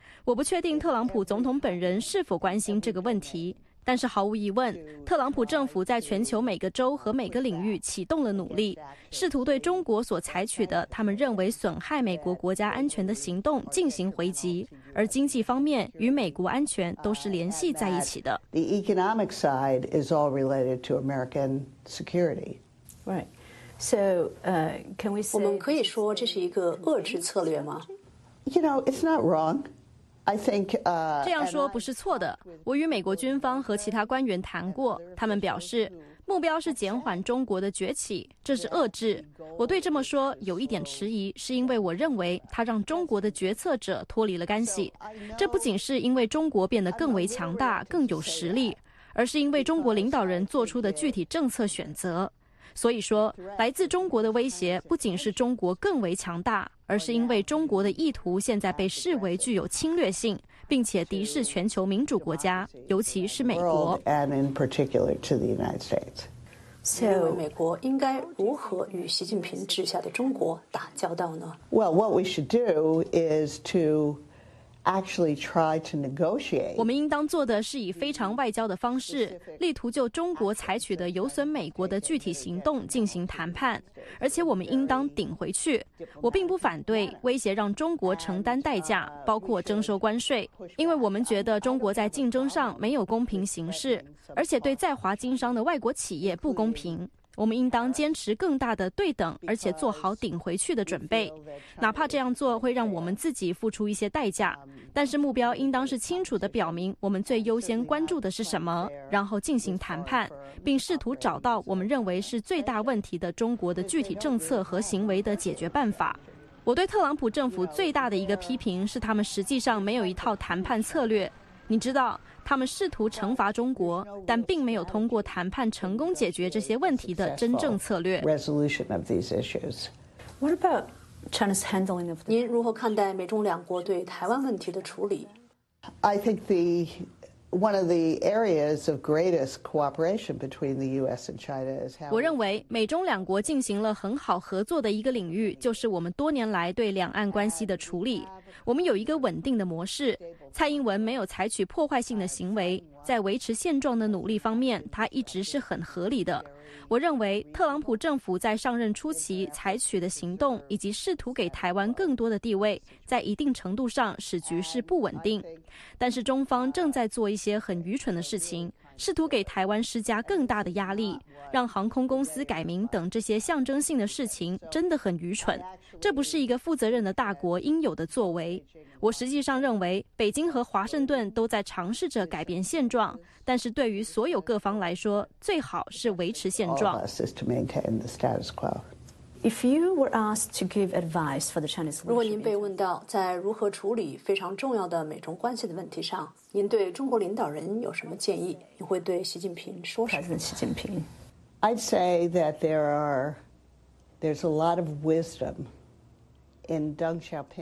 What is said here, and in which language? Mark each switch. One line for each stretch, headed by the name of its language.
Chinese: 我不确定特朗普总统本人是否关心这个问题，但是毫无疑问，特朗普政府在全球每个州和每个领域启动了努力，试图对中国所采取的他们认为损害美国国家安全的行动进行回击，而经济方面与美国安全都是联系在一起的。
English: The economic side is all related to American security. Right. So, can we say
Chinese: 我们可以说这是一个遏制策略吗
English: ？You know, it's not wrong.
Chinese: 这样说不是错的。我与美国军方和其他官员谈过，他们表示目标是减缓中国的崛起，这是遏制。我对这么说有一点迟疑，是因为我认为它让中国的决策者脱离了干系。这不仅是因为中国变得更为强大、更有实力，而是因为中国领导人做出的具体政策选择。所以说，来自中国的威胁不仅是中国更为强大，而是因为中国的意图现在被视为具有侵略性，并且敌视全球民主国家，尤其是美国。
English: And in particular to the United States.
Chinese: So, 认为美国应该如何与习近平治下的中国打交道呢
English: ？Well, what we should do is to actually try to negotiate.
Chinese: 我们应当做的是以非常外交的方式，力图就中国采取的有损美国的具体行动进行谈判。而且我们应当顶回去。我并不反对威胁让中国承担代价，包括征收关税，因为我们觉得中国在竞争上没有公平行事，而且对在华经商的外国企业不公平。我们应当坚持更大的对等，而且做好顶回去的准备，哪怕这样做会让我们自己付出一些代价，但是目标应当是清楚地表明我们最优先关注的是什么，然后进行谈判，并试图找到我们认为是最大问题的中国的具体政策和行为的解决办法。我对特朗普政府最大的一个批评是他们实际上没有一套谈判策略。你知道他们试图惩罚中国，但并没有通过谈判成功解决这些问题的真正策略。
English: Resolution of these issues. What about China's handling of?
Chinese: 您如何看待美中两国对台湾问题的处理
English: ？I think the one of the areas of greatest cooperation between the U.S. and China is.
Chinese: 我认为美中两国进行了很好合作的一个领域，就是我们多年来对两岸关系的处理。我们有一个稳定的模式。蔡英文没有采取破坏性的行为，在维持现状的努力方面，他一直是很合理的。我认为特朗普政府在上任初期采取的行动以及试图给台湾更多的地位，在一定程度上使局势不稳定。但是中方正在做一些很愚蠢的事情，试图给台湾施加更大的压力，让航空公司改名等这些象征性的事情真的很愚蠢。这不是一个负责任的大国应有的作为。我实际上认为北京和华盛顿都在尝试着改变现状，但是对于所有各方来说，最好是维持现状。
English: If you were asked to give advice for the Chinese leadership,
Chinese: 如果您被问到在如何处理非常重要的美中关系的问题上，您对中国领导人有什么建议？你会对习近平说什么？
English: President Xi Jinping, I'd say that there's a lot of wisdom in Deng Xiaoping.